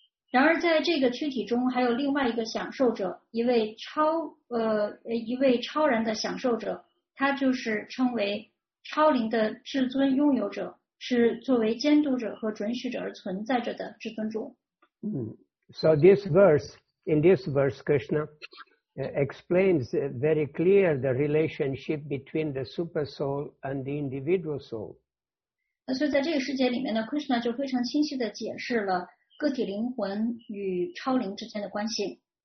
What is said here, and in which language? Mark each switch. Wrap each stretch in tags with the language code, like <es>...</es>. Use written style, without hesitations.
<zh>然而在这个躯体中还有另外一个享受者，一位超然的享受者，他就是称为超灵的至尊拥有者，是作为监督者和准许者而存在着的至尊主。</zh> <en>So in this verse, Krishna explains very clear the relationship between the super soul and the individual soul.</en> <zh>所以在这个世界里面呢 ，Krishna 就非常清晰的解释了个体灵魂与超灵之间的关系。</zh>